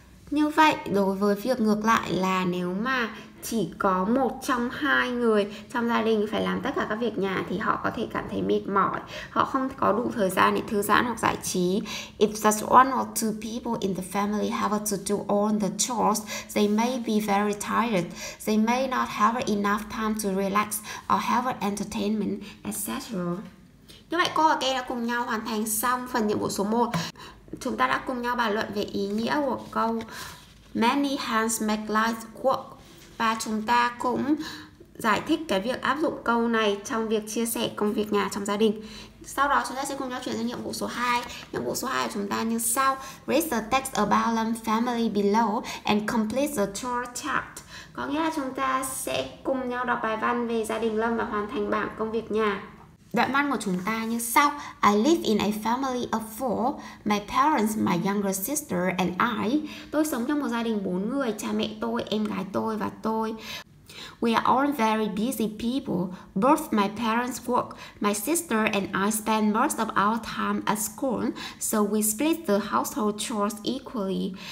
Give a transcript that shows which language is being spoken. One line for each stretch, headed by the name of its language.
Vietnamese: Như vậy đối với việc ngược lại là nếu mà chỉ có một trong hai người trong gia đình phải làm tất cả các việc nhà thì họ có thể cảm thấy mệt mỏi, họ không có đủ thời gian để thư giãn hoặc giải trí.
English: If just one or two people in the family have to do all the chores, they may be very tired, they may not have enough time to relax or have entertainment, etc.
Vietnamese: Như vậy cô và Ken đã cùng nhau hoàn thành xong phần nhiệm vụ số 1. Chúng ta đã cùng nhau bàn luận về ý nghĩa của câu
English: Many hands make life work.
Vietnamese: Và chúng ta cũng giải thích cái việc áp dụng câu này trong việc chia sẻ công việc nhà trong gia đình. Sau đó chúng ta sẽ cùng nhau chuyển sang nhiệm vụ số 2. Nhiệm vụ số 2 của chúng ta như sau:
English: Read the text about the family below and complete the chore chart.
Vietnamese: Có nghĩa là chúng ta sẽ cùng nhau đọc bài văn về gia đình Lâm và hoàn thành bảng công việc nhà. Đoạn văn của chúng ta như sau:
English: I live in a family of four, my parents, my younger sister and I.
Vietnamese: Tôi sống trong một gia đình 4 người, cha mẹ tôi, em gái tôi và tôi.
English: We are all very busy people. Both my parents work. My sister and I spend most of our time at school, so we split the household chores equally.